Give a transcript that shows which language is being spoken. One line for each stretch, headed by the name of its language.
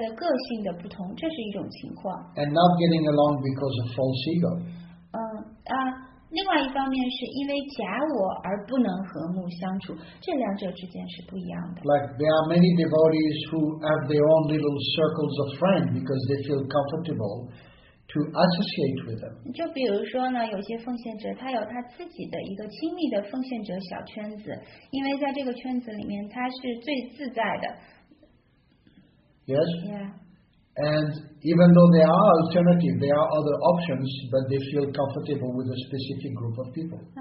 Chinese: 那么一方面这种不能和睦相处的原因呢，可能是因为大家的个性的不同，这是一种情况。And
English: not getting along because of false ego.
Chinese: 另外一方面是因为假我而不能和睦相处，这两者之间是不一样的。Like
English: there are many devotees who have their own little circles of friends because they feel comfortable to associate with them.
Chinese: 就比如说呢，有些奉献者他有他自己的一个亲密的奉献者小圈子，因为在这个圈子里面他是最自在的。Yes. Yeah.
English: And even though there are alternative, there are other options, but they feel comfortable with a specific group of people.